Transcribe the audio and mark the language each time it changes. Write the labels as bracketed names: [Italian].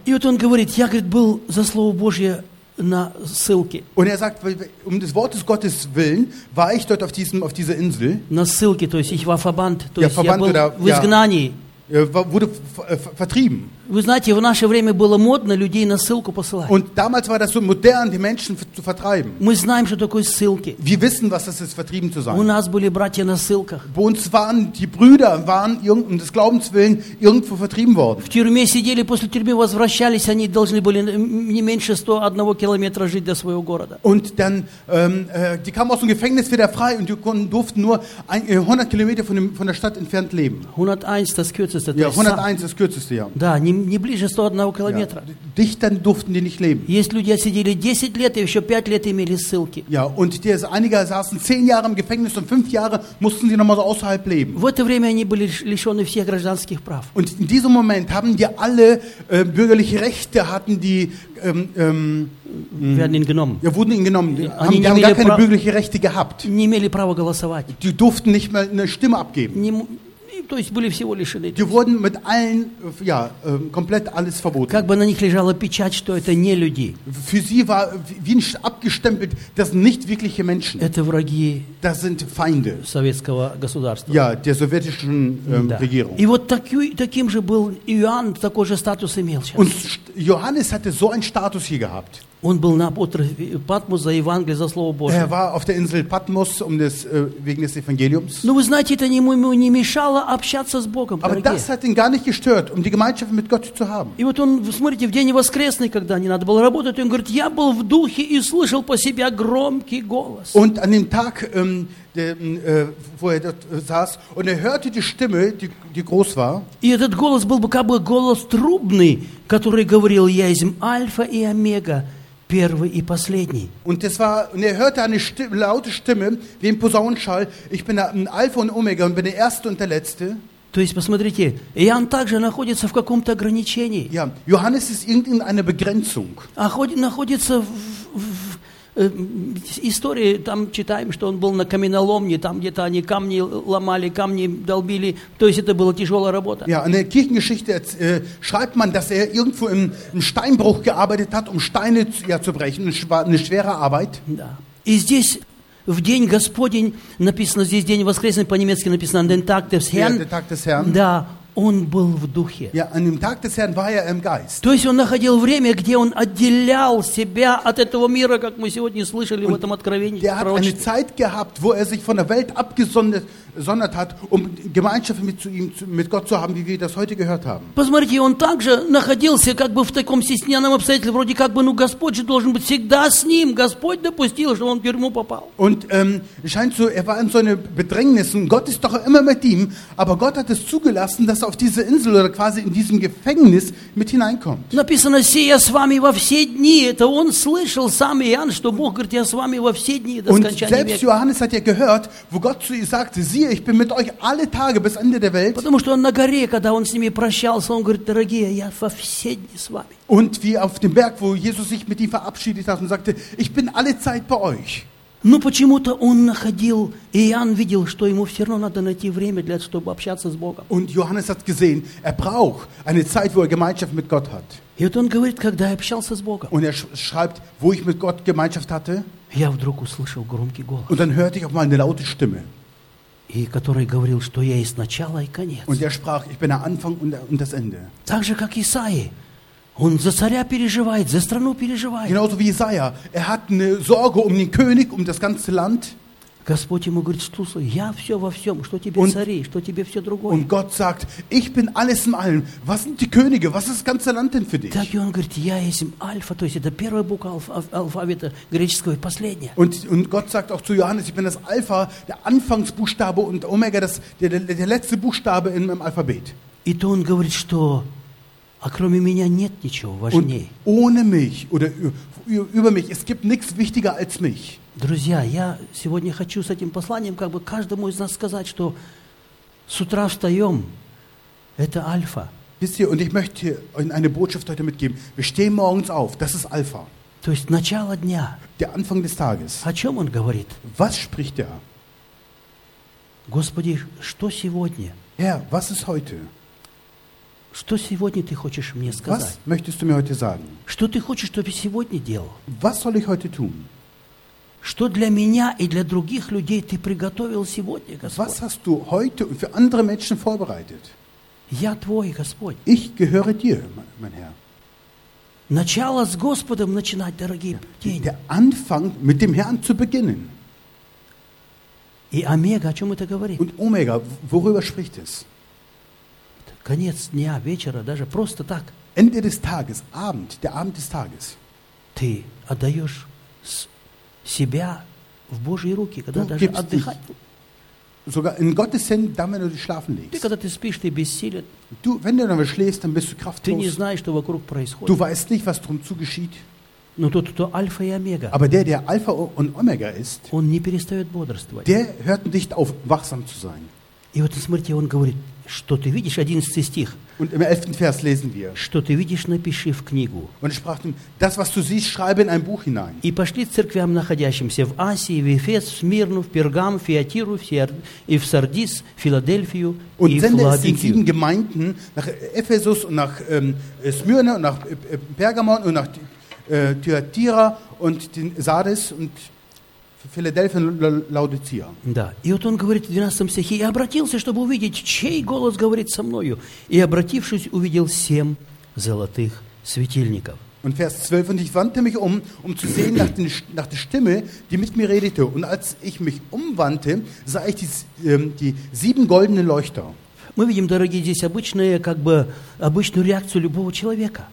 [Russian] И вот он говорит, я, говорит, был за Слово Божье на ссылке. [German] Und er sagt, des Wortes Gottes Willen war ich dort auf dieser Insel. [Russian] На ссылке, то есть [German] ich war verbannt, [Russian] то [German] ja, [Russian] есть я был [German] oder, [Russian] в изгнании. [German] Ja. Wurde vertrieben. [Russian] Вы знаете, в наше время было модно людей на ссылку посылать. [German] Und damals war das so modern, die Menschen zu vertreiben. [Russian] Мы знаем, что такое ссылки. [German] Wir wissen, was das ist, vertrieben zu sein. [Russian] У нас были братья на ссылках. [German] Bei uns waren die Brüder, waren um des Glaubens willen irgendwo vertrieben worden. [Russian] В тюрьме сидели, после тюрьмы возвращались, они должны были не меньше 101 километра жить до своего города. [German] Und dann, die kamen aus dem Gefängnis wieder frei und die durften nur 100 Kilometer von der Stadt entfernt leben. 101, das kürzeste. Ja, 101 ist kürzeste, ja. [Russian] Да, не ближе 101 километра. [German] Ja. Dichter durften die nicht leben. [Russian] Есть люди, сидели 10 лет и еще 5 лет имели ссылки. [German] Ja, und die, einige saßen 10 Jahre im Gefängnis und 5 Jahre mussten sie nochmal so außerhalb leben. [Russian] В это время они были лишены всех гражданских прав. [German] Und in diesem Moment haben die alle bürgerliche Rechte hatten die werden ihnen genommen. Ja, wurden ihnen genommen. Die haben, die haben gar keine bürgerliche Rechte gehabt. [Russian] Не имели права голосовать. [German] Die durften nicht mal eine Stimme abgeben. [Russian] То есть были всего лишены. [German] Die wurden mit allen, ja, komplett alles verboten. [Russian] Как бы на них лежала печать, что это не люди. [German] Für sie war wie ein abgestempelt, das sind nicht wirkliche Menschen. [Russian] Это враги. [German] Das sind Feinde. [Russian] Советского государства. [German] Ja, der sowjetischen Regierung. [Russian] И вот таким же был Иоанн, такой же статус имел сейчас. [German] Und Johannes hatte so einen Status hier gehabt. [Russian] Он был на острове Патмос за Евангелие, за Слово Божие. [German] Er war auf der Insel Patmos wegen des Evangeliums. [Russian] Но вы знаете, это ему не мешало общаться с Богом, [German] aber [Russian] дорогие. [German] Das hat ihn gar nicht gestört, die Gemeinschaft mit Gott zu haben. [Russian] И вот он, смотрите, в день воскресный, когда не надо было работать, он говорит, я был в духе и слышал по себе громкий голос. [German] Und an dem Tag, wo er dort saß, und er hörte die Stimme, die groß war. [Russian] И этот голос был как бы голос трубный, который говорил, я есть Альфа и Омега, первый и последний. [German] Und das war, und er hörte eine laute Stimme, wie ein Posaunenschall. Ich bin ein Alpha und Omega und bin der Erste und der Letzte. [Russian] То есть, посмотрите, Иоанн также находится в каком-то ограничении. [German] Ja, Johannes ist in einer Begrenzung. [Russian] А находится в истории, там читаем, что он был на каменоломне, там где-то они камни ломали, камни долбили, то есть это была тяжелая работа. [German] Ja, in der Kirchengeschichte schreibt man, dass er irgendwo im Steinbruch gearbeitet hat, um Steine zu brechen, eine schwere Arbeit. [Russian] Да. И здесь... В день Господень написано здесь день воскресный по-немецки написано [German] den Tag des Herrn. Ja, den Tag des Herrn. [Russian] Да, он был в духе. [German] Ja, an dem Tag des Herrn war er im Geist. [Russian] То есть он находил время, где он отделял себя от этого мира, как мы сегодня слышали [German] und [Russian] в этом откровении. [German] Der hat eine Zeit gehabt, wo er sich von der Welt abgesondert hat, um Gemeinschaft mit Gott zu haben, wie wir das heute gehört haben. [Russian] Посмотрите, он также находился как бы в таком стесненном обстоятельстве, вроде как бы, ну Господь же должен быть всегда с ним. Господь допустил, что он в тюрьму попал. [German] Und scheint so, er war in so einer Bedrängnis, und Gott ist doch immer mit ihm, aber Gott hat es zugelassen, dass er auf diese Insel oder quasi in diesem Gefängnis mit hineinkommt. [Russian] Написано, сие я с вами во все дни. Это он слышал сам Иоанн, что Бог говорит, я с вами во все дни до скончания века. [German] Und selbst Johannes hat ja gehört, wo Gott zu ihm sagte, siehe, ich bin mit euch alle Tage bis Ende der Welt. [Russian] Потому что он на горе, когда он с ними прощался, он говорит, дорогие, я во все дни с вами. [German] Und wie auf dem Berg, wo Jesus sich mit ihm verabschiedet hat und sagte, ich bin alle Zeit bei euch. [Russian] Но почему-то он находил, и Иоанн видел, что ему все равно надо найти время для того, чтобы общаться с Богом. [German] Und Johannes hat gesehen, er braucht eine Zeit, wo er Gemeinschaft mit Gott hat. [Russian] И вот он говорит, когда я общался с Богом. [German] Und er schreibt, wo ich mit Gott Gemeinschaft hatte. [Russian] Я вдруг услышал громкий голос. [German] Und dann hörte ich auf meine laute Stimme. [Russian] И который говорил, что я есть начало и конец. [German] Und er sprach, ich bin der Anfang und das Ende. [Russian] Так же, как Исаии. Он за царя переживает, за страну переживает. [German] Genauso wie Jesaja, er hat eine Sorge um den König, um das ganze Land. [Russian] Господь ему говорит, слушай, я все во всем, что тебе цари, что тебе все другое. [German] Und Gott sagt, ich bin alles in allem. Was sind die Könige, was ist das ganze Land denn für dich? [Russian] Так и он говорит, я есть Альфа, то есть это первая буква алфавита греческого и последняя. [German] Und Gott sagt auch zu Johannes, ich bin das Alpha, der Anfangsbuchstabe und Omega, der letzte Buchstabe in meinem Alphabet. [Russian] И то он говорит, что... А кроме меня нет ничего важнее. [German] Ohne mich oder über mich, es gibt nichts wichtiger als mich. [Russian] Друзья, я сегодня хочу с этим посланием как бы каждому из нас сказать, что с утра встаем, это Альфа. [German] Wisst ihr, und ich möchte Ihnen eine Botschaft heute mitgeben. Wir stehen morgens auf, das ist Alpha. [Russian] То есть начало дня. [German] Der Anfang des Tages. [Russian] О чем он говорит? [German] Was spricht er? [Russian] Господи, что сегодня? [German] Herr, was ist heute? [Russian] Что сегодня ты хочешь мне сказать? [German] Was möchtest du mir heute sagen? [Russian] Что ты хочешь, чтобы я сегодня делал? [German] Was soll ich heute tun? [Russian] Что для меня и для других людей ты приготовил сегодня, Господь? [German] Was hast du heute für andere Menschen vorbereitet? [Russian] Я твой, Господь. [German] Ich gehöre dir, mein Herr. [Russian] Начало с Господом начинать, дорогие дети. [German] Der Anfang mit dem Herrn zu beginnen. [Russian] И Омега, о чем это говорит? [German] Und Omega, worüber spricht es? [Russian] Конец дня, вечера, даже просто так. [German] Ende des Tages, Abend, der Abend des Tages. [Russian] Ты отдаешь себя в Божьи руки, когда даже отдыхать. [German] Sogar in Gottes Händen, dann wenn du dich schlafen legst. [Russian] Ты когда ты спишь, ты бессилен. [German] Du, wenn du dann schläfst, dann bist du kraftlos. [Russian] Ты не знаешь, что вокруг происходит. [German] Du weißt nicht, was drum zu geschieht. [Russian] Но тот, кто Альфа и Омега. [German] Aber der Alpha und Omega ist. [Russian] Он не перестает бодрствовать. [German] Der hört nicht auf, wachsam zu sein. [Russian] И вот смотрите, он говорит. Что ты видишь? 11 стих. [German] Und im 11. Vers lesen wir. [Russian] Что ты видишь? Напиши в книгу. [German] Und sprach ihm, das, was du siehst, schreibe in ein Buch hinein. [Russian] И пошли церквям, находящимся в Асии, в Эфес, в Смирну, в Пергам, в Фиатиру, и в Сардис, в Филадельфию [German] und [Russian] и в Лаодикию. [German] Und sende es in 7 Gemeinden nach Ephesus und nach Smyrna und nach Pergamon und nach Thyatira und den Sardis und Филадельфия, Лаодикия. [Russian] Да. И вот он говорит в 12 стихе, и обратился, чтобы увидеть, чей голос говорит со мною. И обратившись, увидел 7 золотых светильников. [German] Und Vers 12, und ich wandte mich um zu sehen nach der Stimme, die mit mir redete. Und als ich mich umwandte, sah ich die 7 goldenen Leuchter. [Russian] Мы видим, дорогие, здесь обычную, как бы, обычную реакцию любого человека.